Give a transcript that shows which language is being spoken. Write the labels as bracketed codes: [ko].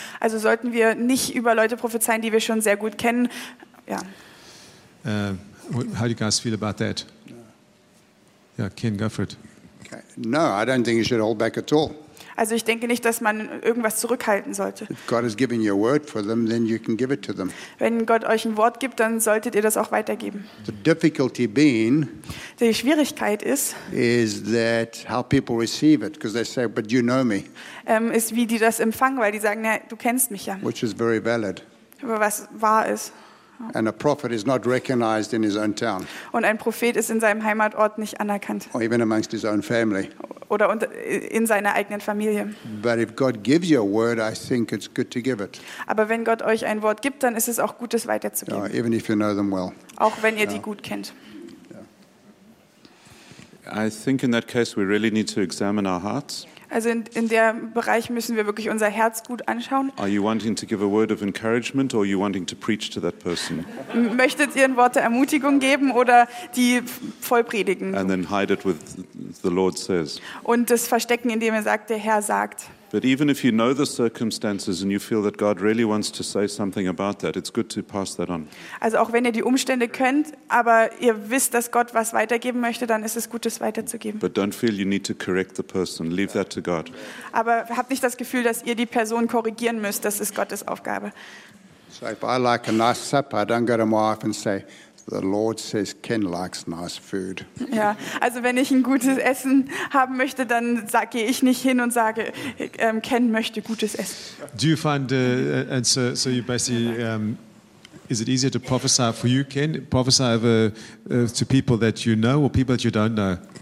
[de] Also sollten wir nicht über Leute prophezeien, die wir schon sehr gut kennen? Ja. [en] How do you guys feel about that? Yeah, Ken, go for it. Okay. No, I don't think you should hold back at all. [de] Also ich denke nicht, dass man irgendwas zurückhalten sollte. [en] If God has given you a word for them, then you can give it to them. [de] Wenn Gott euch ein Wort gibt, dann solltet ihr das auch weitergeben. [en] The difficulty being, [de] die Schwierigkeit ist, [en] is that how people receive it, because they say, but you know me. [de] Ist wie die das empfangen, weil die sagen, na, du kennst mich ja. [en] Which is very valid. [de] Aber was wahr ist. [en] And a prophet is not recognized in his own town. [de] Und ein Prophet ist in seinem Heimatort nicht anerkannt. [en] Or even amongst his own family. [de] Oder in seiner eigenen Familie. [en] But if God gives you a word, I think it's good to give it. [de] Aber wenn Gott euch ein Wort gibt, dann ist es auch gut, es weiterzugeben. [en] Yeah, even if you know them well. [de] Auch wenn ihr die gut kennt. [en] I think in that case we really need to examine our hearts. [de] Also in der Bereich müssen wir wirklich unser Herz gut anschauen. [en] Are you wanting to give a word of encouragement or are you wanting to preach to that person? [de] Möchtet ihr ein Wort der Ermutigung geben oder die vollpredigen? [en] And then hide it with the Lord says. [de] Und das verstecken, indem er sagt, der Herr sagt. [en] But even if you know the circumstances and you feel that God really wants to say something about that, it's good to pass that on. [de] Also auch wenn ihr die Umstände kennt, aber ihr wisst, dass Gott was weitergeben möchte, dann ist es gut, es weiterzugeben. [en] But don't feel you need to correct the person. Leave that to God. [de] Aber habt nicht das Gefühl, dass ihr die Person korrigieren müsst. Das ist Gottes Aufgabe. [en] So if I like a nice supper, I don't go to my wife and say, the Lord says Ken likes nice food. [de] Ja, also wenn ich ein gutes Essen haben möchte, dann sage ich nicht hin und sage, Ken möchte gutes Essen. [en] Do you find and so you basically is it easier to prophesy for you, Ken, prophesy over to people that you know or people that you don't know?